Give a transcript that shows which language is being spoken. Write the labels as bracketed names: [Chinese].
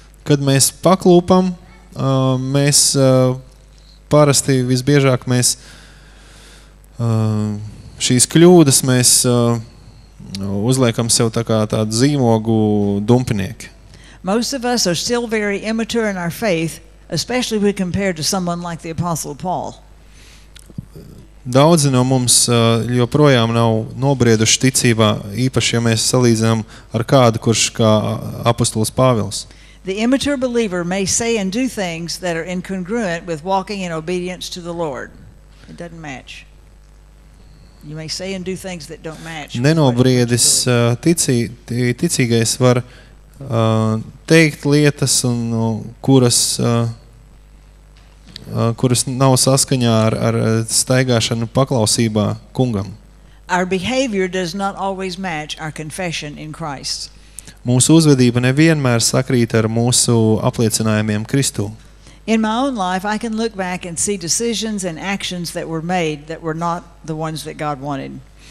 [Latvian] Kad mēs paklūpam, mēs parasti visbiežāk mēs šīs kļūdas mēs uzliekam sev tā kā tādu zīmogu dumpinieki. [English] Most of us are still very immature in our faith, especially when compared to someone like the Apostle Paul. [Latvian] Daudzi no mums joprojām nav nobrieduši ticībā, īpaši, ja mēs salīdzinām ar kādu, kurš kā apostols Pāvils. [English] The immature believer may say and do things that are incongruent with walking in obedience to the Lord. It doesn't match. You may say and do things that don't match. [Latvian] Nenobriedis ticīgais var teikt lietas, un, kuras nav saskaņā ar staigāšanu paklausībā kungam. [English] Our behavior does not always match our confession in Christ. [Latvian] Mūsu uzvedība nevienmēr sakrīt ar mūsu apliecinājumiem Kristu. [English] In my own life I can look back and see decisions and actions that were made that were not the ones that God wanted.